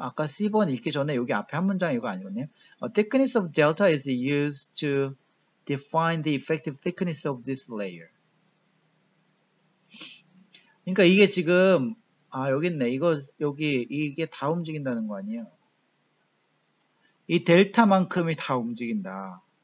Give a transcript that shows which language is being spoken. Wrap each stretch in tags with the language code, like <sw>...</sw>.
<ko>아까 C번 읽기 전에 여기 앞에 한 문장 이거 아니었네요.</ko> <en>Thickness of delta is used to define the effective thickness of this layer.</en> <ko>그러니까 이게 지금 아 여기 있네. 이거 여기 이게 다 움직인다는 거 아니에요. 이 델타만큼이 다 움직인다.</ko>